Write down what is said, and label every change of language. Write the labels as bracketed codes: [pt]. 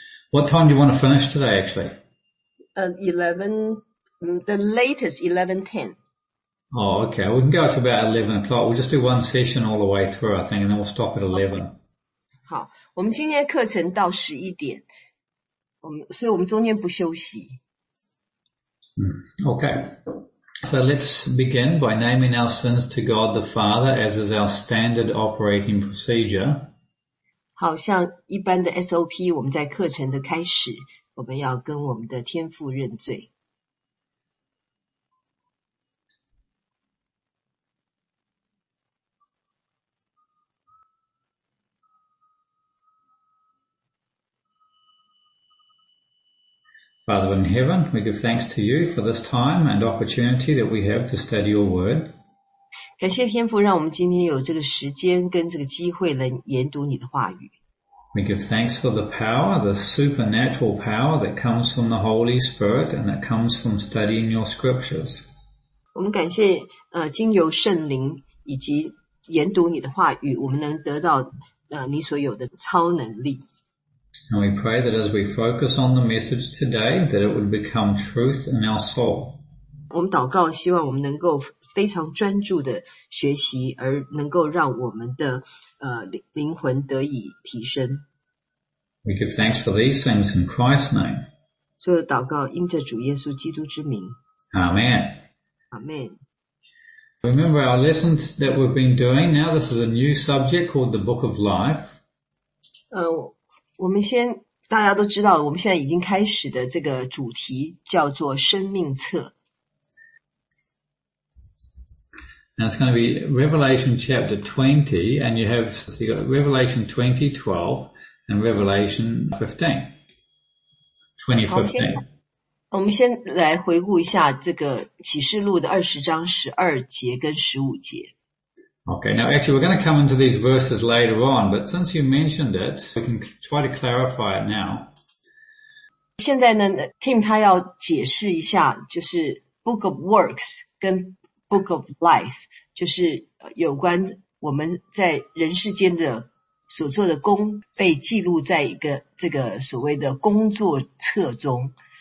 [en] What time do you want to finish today, actually? 11, the latest 11:10. Oh, okay. We can go to about 11 o'clock. We'll just do one session all the way through, I think, and then we'll stop at 11. Okay. [zh] 好，我们今天的课程到11点，所以我们中间不休息。 [en] Okay. So let's begin by naming our sins to God the Father, as is our standard operating procedure. [zh] 好像一般的 SOP, 我们在课程的开始，我们要跟我们的天父认罪。 [en] Father in heaven, we give thanks to you for this time and opportunity that we have to study your word. [zh] 感谢天父让我们今天有这个时间跟这个机会来研读你的话语。 [en] We give thanks for the power, the supernatural power that comes from the Holy Spirit and that comes from studying your scriptures. [zh] 我们感谢经由圣灵以及研读你的话语，我们能得到你所有的超能力。 [en] And we pray that as we focus on the message today, that it would become truth in our soul. [zh] 我们祷告希望我们能够非常专注的学习，而能够让我们的灵魂得以提升。 [en] We give thanks for these things in Christ's name. [zh] 所有的祷告因着主耶稣基督之名。 [en] Amen. Amen. Remember our lessons that we've been doing. Now this is a new subject called the Book of Life. [zh] 我们先大家都知道我们现在已经开始的这个主题叫做生命册。 [en] Now it's going to be Revelation chapter 20, and you've got Revelation 20, 12, and Revelation 15. 2015. [zh] 我们先来回顾一下这个启示录的20章12节跟15节。 [en] Okay, now actually we're going to come into these verses later on, but since you mentioned it, we can try to clarify it now. [zh] 现在呢 ,Tim 他要解释一下就是 Book of Works 跟 Book of Life, 就是有关我们在人世间的所做的工被记录在一个这个所谓的工作册中。